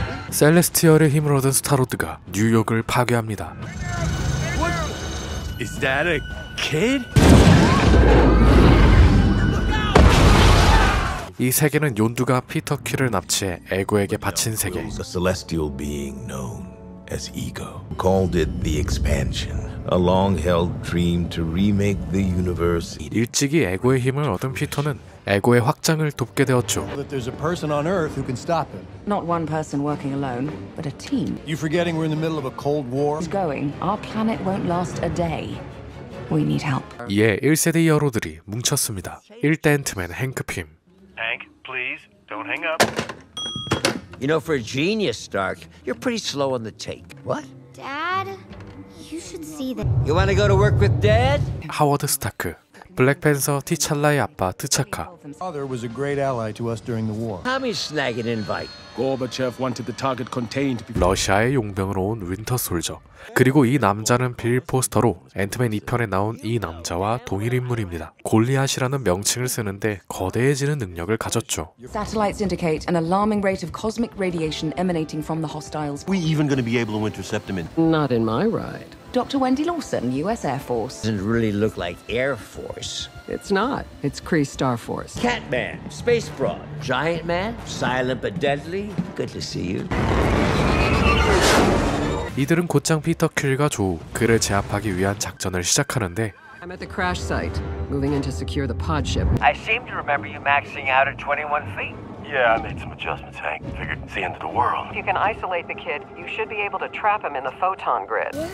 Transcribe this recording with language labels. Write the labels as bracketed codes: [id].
[ko] 셀레스티얼의 힘을 얻은 스타로드가 뉴욕을 파괴합니다. [en] Is that a kid? [ko] 이 세계는 욘두가 피터 퀼을 납치해 에고에게 바친 세계. [en] A celestial being known as Ego called it the expansion. A long-held dream to remake the universe. [ko] 일찍이 에고의 힘을 얻은 피터는 에고의 확장을 돕게 되었죠. [en] That there's a person on Earth who can stop him. Not one person working alone, but a team. You forgetting we're in the middle of a cold war? It's going. Our planet won't last a day. We need help. [ko] 이에 1세대 히어로들이 뭉쳤습니다. 1대 앤트맨 행크 핌. [en] Hank, please don't hang up. You know, for a genius, Stark, you're pretty slow on the take. What? Dad? You should see that. You want to go to work with Dad? [ko] 하워드 스타크, 블랙팬서 티찰라의 아빠 트차카. [en] Father was a great ally to us during the war. Tommy snagged an invite. Gorbachev wanted the target contained. [ko] 러시아의 용병으로 온 윈터 솔저. 그리고 이 남자는 빌 포스터로 앤트맨 2편에 나온 이 남자와 동일 인물입니다. 골리앗이라는 명칭을 쓰는데 거대해지는 능력을 가졌죠. [en] Satellites indicate an alarming rate of cosmic radiation emanating from the hostiles. We even going to be able to intercept him? Not in my ride. Dr. Wendy Lawson, U.S. Air Force. Doesn't really look like Air Force. It's not. It's Kree Star Force. Catman, Space Broad, Giant Man, Silent but Deadly. Good to see you. [ko] 이들은 곧장 피터 퀼과 조 그를 제압하기 위한 작전을 시작하는데. [en] I'm at the crash site, moving in to secure the pod ship. I seem to remember you maxing out at 21 feet. Yeah, I made some adjustments, Hank. Figured it's the end of the world. If you can isolate the kid, you should be able to trap him in the photon grid.